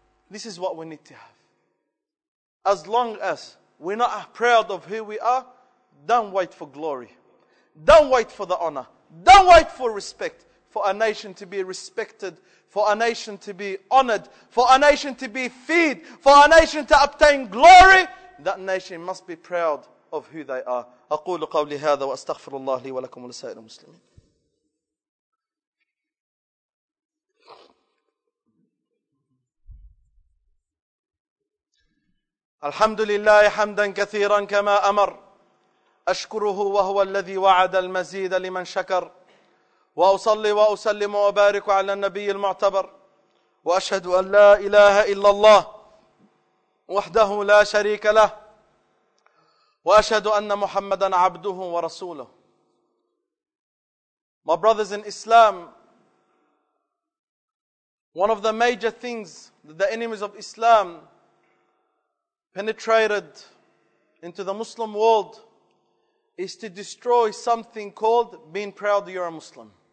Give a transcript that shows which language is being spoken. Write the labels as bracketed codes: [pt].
[en] This is what we need to have. As long as we're not proud of who we are, don't wait for glory. Don't wait for the honor. Don't wait for respect. For a nation to be respected, for a nation to be honored, for a nation to be feared, for a nation to obtain glory, that nation must be proud of who they are. [ar] أقول قولي هذا وأستغفر الله لي ولكم ولسائر المسلمين. الحمد لله حمدا كثيرا كما أمر أشكره وهو الذي وعد المزيد لمن شكر وأصلي وأسلم وأبارك على النبي المعتبر وأشهد أن لا إله إلا الله وحده لا شريك له وأشهد أن محمدا عبده ورسوله. [en] My brothers in Islam, one of the major things that the enemies of Islam penetrated into the Muslim world is to destroy something called being proud you're a Muslim.